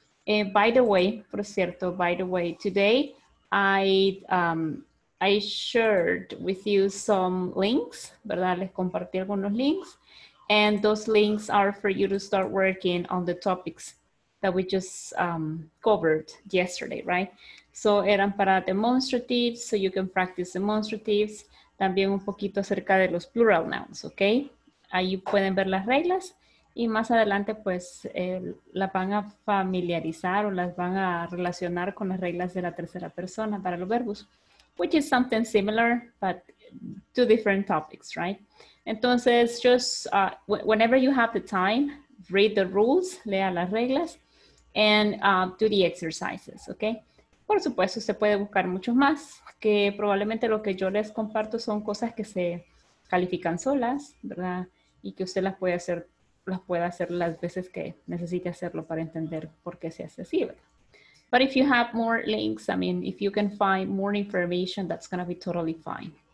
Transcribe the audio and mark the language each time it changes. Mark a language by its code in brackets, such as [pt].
[en] And by the way, [es] por cierto, [en] by the way, today I shared with you some links, ¿verdad? [es] Les compartí algunos links. [en] And those links are for you to start working on the topics that we just covered yesterday, right? So, [es] eran para [en] demonstratives, so you can practice demonstratives. [es] También un poquito acerca de los plural nouns, ¿ok? Ahí pueden ver las reglas. Y más adelante, pues, las van a familiarizar o las van a relacionar con las reglas de la tercera persona para los verbos. [en] Which is something similar, but two different topics, right? [es] Entonces, [en] just whenever you have the time, read the rules, [es] lea las reglas, [en] and do the exercises, okay? [es] Por supuesto, se puede buscar muchos más, que probablemente lo que yo les comparto son cosas que se califican solas, ¿verdad? Y que usted las puede hacer las veces que necesite hacerlo para entender por qué se hace así, ¿verdad? [en] But if you have more links, I mean, if you can find more information, that's going to be totally fine.